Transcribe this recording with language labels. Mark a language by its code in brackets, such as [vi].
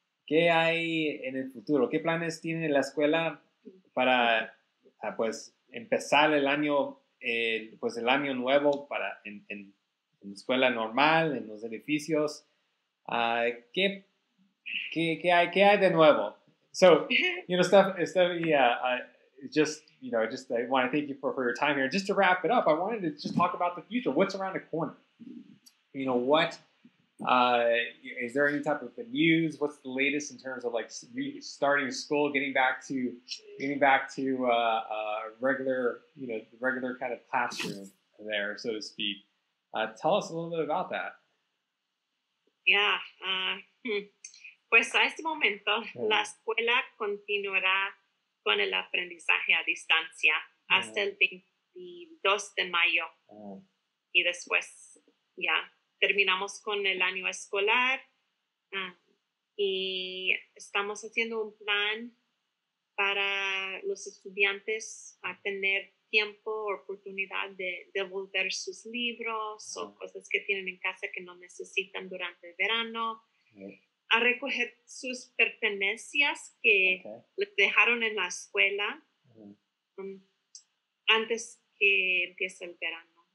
[es] ¿Qué hay en el futuro? ¿Qué planes tiene la escuela para, pues, empezar el año? Pues el año nuevo para en escuela normal, en los edificios, ¿qué hay de nuevo? [en] So, you know, I want to thank you for your time here. Just to wrap it up, I wanted to just talk about the future. What's around the corner? You know, what, is there any type of news? What's the latest in terms of like starting school, getting back to regular, you know, the regular kind of classroom there, so to speak? Tell us a little bit about that. Yeah. [es] Pues a este momento, la escuela continuará con el aprendizaje a distancia hasta el 22 de mayo. Y después, terminamos con el año escolar y estamos haciendo un plan para los estudiantes a tener tiempo o oportunidad de devolver sus libros o cosas que tienen en casa que no necesitan durante el verano, a recoger sus pertenencias que les dejaron en la escuela antes que empiece el verano.